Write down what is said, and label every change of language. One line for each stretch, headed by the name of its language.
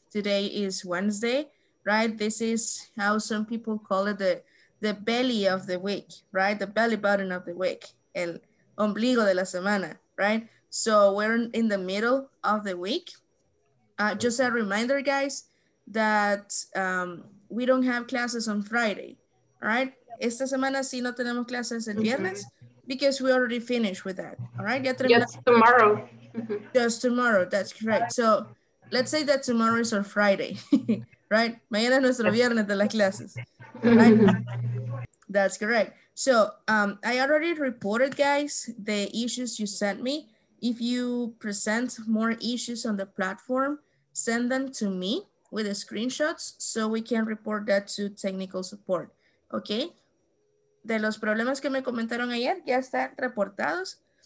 English: Today is Wednesday, right? This is how some people call it the belly of the week, right? The belly button of the week.
Spanish: El ombligo de la semana,
English: right? So we're in the middle of the week. Just a reminder, guys, that we don't have classes on Friday, right?
Spanish: Esta semana sí no tenemos clases el viernes.
English: Because we already finished with that, all right? Tomorrow. Just tomorrow, that's correct. So let's say that tomorrow is our Friday, right?
Spanish: Mañana es nuestro viernes de las clases, right?
English: That's correct. So I already reported, guys, the issues you sent me. If you present more issues on the platform, send them to me with the screenshots so we can report that to technical support, okay?
Spanish: De los problemas que me comentaron ayer, ya están reportados.